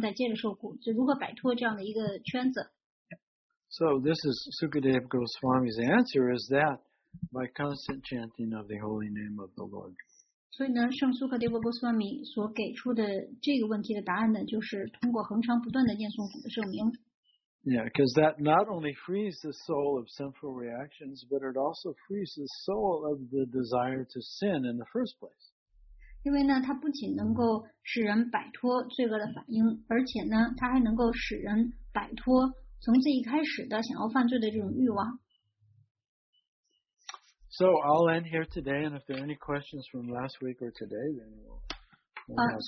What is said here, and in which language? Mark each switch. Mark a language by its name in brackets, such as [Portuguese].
[Chinese] 所以呢，他就说到底有哪一种方式能够真正的帮助到这个生物体能够摆脱这样的循环，就是犯罪，然后呢被送到地狱去受苦，然后呢把这个罪清理掉了之后呢，然后呢再接着再去受罪，然后呢就是再接着犯罪，然后再接着受苦，就如何摆脱这样的一个圈子。 [English] So this is Sukadeva Goswami's answer is that by constant chanting of the holy name of the Lord. [Chinese] 所以呢，圣苏克迪波戈斯瓦米所给出的这个问题的答案呢，就是通过恒常不断的念诵主的圣名。 [English] Yeah, because that not only frees the soul of sinful reactions, but it also frees the soul of the desire to sin in the first place. [Chinese] 因为呢，它不仅能够使人摆脱罪恶的反应，而且呢，它还能够使人摆脱从最一开始的想要犯罪的这种欲望。 [English] So I'll end here today, and if there are any questions from last week or today, then